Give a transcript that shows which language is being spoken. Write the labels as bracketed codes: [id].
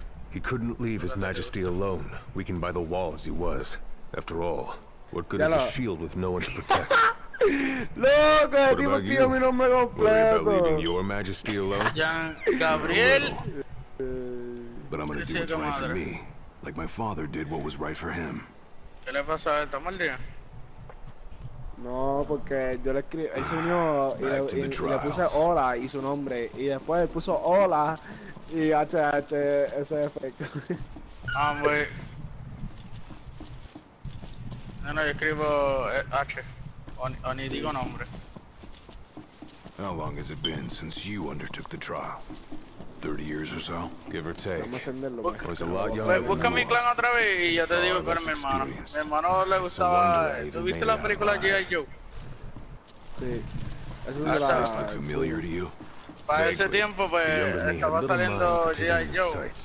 [en] He couldn't leave his majesty alone, weakened by the wall as he was. After all, what good is a shield with no one to protect? [es] Loco, el tipo pidió mi nombre completo. [en] Your majesty alone? Gabriel. But I'm gonna do what's right for me, like my father did what was right for him. [es] ¿Qué le pasa a él? ¿Está mal día? No, porque yo le escribí, él se unió y le puse hola y su nombre. Y después él puso hola y HH ese efecto. Ah, muy. No, yo escribo H. [en] How long has it been since you undertook the trial? 30 years or so? Give or take. I was a lot younger than you. [es] Busca mi clan otra vez y ya te digo que era mi hermano. Mi hermano le gustaba. ¿Tú viste la película G.I. Joe? Sí. [en] Does this look familiar to you? [es] Para ese tiempo, pues, estaba saliendo G.I. Joe.